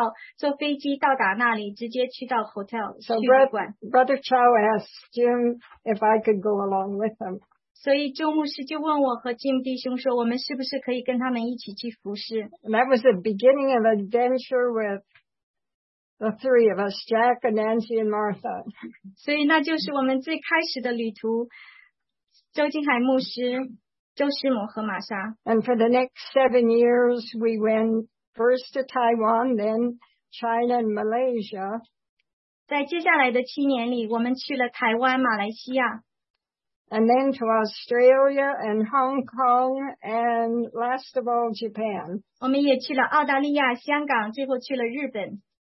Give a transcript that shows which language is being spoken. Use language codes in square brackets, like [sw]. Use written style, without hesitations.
[zh] 他们掌管了一切的这个会议的运作，所以我们只需要坐飞机到达那里，直接去到hotel。 [en] So Brother Chow asked Jim if I could go along with him. [zh] 所以周牧师就问我和Jim弟兄说，我们是不是可以跟他们一起去服侍？ [en] And that was the beginning of adventure with the three of us, Jack and Nancy and Martha. [zh] 所以那就是我们最开始的旅途，周金海牧师。 [en] And for the next 7 years, we went first to Taiwan, then China and Malaysia. [zh] 在接下来的七年里, 我们去了台湾, 马来西亚, [en] and then to Australia and Hong Kong, and last of all, Japan. [zh] 我们也去了澳大利亚, 香港, 最后去了日本。